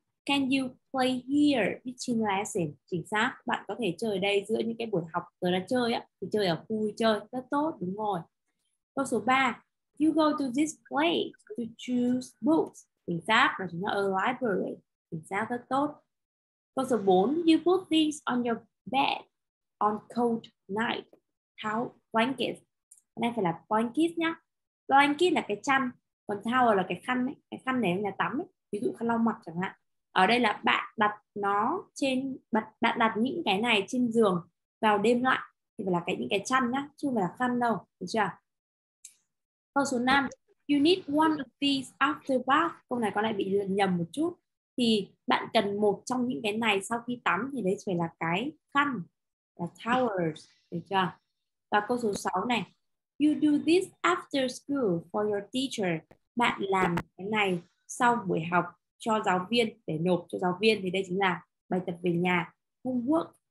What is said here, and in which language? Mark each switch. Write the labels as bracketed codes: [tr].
[en] Can you play here between lessons? [vi] Chính xác, bạn có thể chơi ở đây giữa những cái buổi học rồi là chơi á, thì chơi ở khu chơi rất tốt, đúng rồi. Câu số 3, [en] you go to this place to choose books. [vi] Chính xác, là chúng ta ở library. Chính xác, rất tốt. Câu số 4, [en] you put things on your bed on cold night. [vi] Towel, blanket. Đây phải là blanket nhá. Blanket là cái chăn, còn towel là cái khăn ấy, cái khăn này ở nhà tắm ấy, ví dụ khăn lau mặt chẳng hạn. Ở đây là bạn đặt nó trên bạn đặt những cái này trên giường vào đêm lại thì phải là cái những cái chăn nhá, chứ không phải là khăn đâu, được chưa? Câu số 5, [en] you need one of these after bath. [vi] Câu này có lại bị nhầm một chút, thì bạn cần một trong những cái này sau khi tắm, thì đấy phải là cái khăn, là towels, được chưa? Và câu số 6 này, [en] you do this after school for your teacher. [vi] Bạn làm cái này sau buổi học cho giáo viên, để nộp cho giáo viên, thì đây chính là bài tập về nhà homework.